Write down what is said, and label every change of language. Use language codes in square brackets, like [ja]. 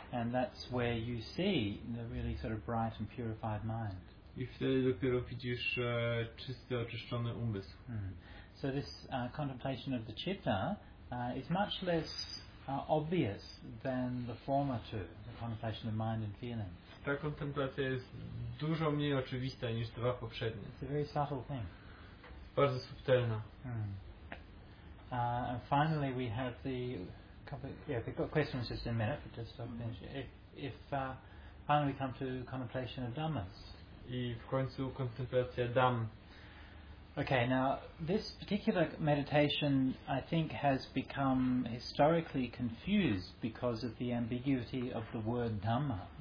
[en] And that's where you see the really sort of bright and purified mind. [pl] I wtedy dopiero widzisz czysty, oczyszczony umysł. [en] So this contemplation of the citta is much less obvious than the former two, the contemplation of mind and feeling. [pl] Ta kontemplacja jest dużo mniej oczywista niż dwa poprzednie. [en] It's a very subtle thing. [pl] Bardzo subtelna. [en] And finally we have the couple we've got questions just in a minute, but just finish. Finally we come to contemplation of dhammas. [pl] I w końcu kontemplacja dham. [en] Okay, now this particular meditation I think has become historically confused because of the ambiguity of the word Dhamma.